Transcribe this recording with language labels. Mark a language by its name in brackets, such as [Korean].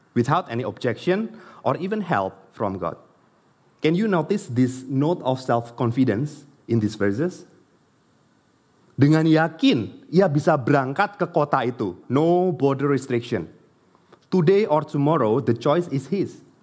[English] Without any objection or even help from God. Can you notice this note of self-confidence in these verses? [Indonesian] Dengan yakin ia bisa berangkat ke kota itu. [English] No border restriction. Today or tomorrow, the choice is his.